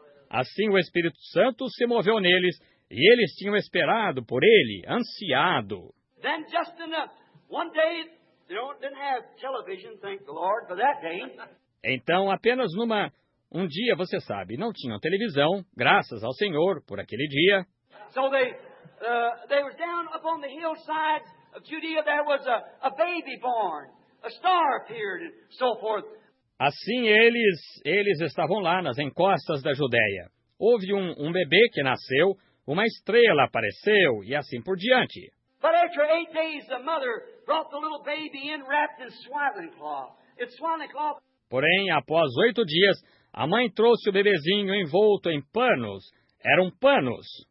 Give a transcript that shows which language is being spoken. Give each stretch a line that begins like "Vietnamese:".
Portuguese: Assim o Espírito Santo se moveu neles, e eles tinham esperado por ele, ansiado.
English: Then just in one day, they didn't have television, thank the Lord, for that day.
Portuguese: Então, apenas numa... Um dia, você sabe, não tinham televisão, graças ao Senhor, por aquele dia.
English: So they were down upon the hillside of Judea, there was a baby born, a star appeared, and so forth.
Portuguese: Assim, eles estavam lá nas encostas da Judeia. Houve um bebê que nasceu, uma estrela apareceu, e assim por diante.
English: But after 8 days, the mother brought the little baby in wrapped in swaddling cloth. It's swaddling cloth.
Portuguese: Porém, após 8 dias, a mãe trouxe o bebezinho envolto em panos. Eram panos.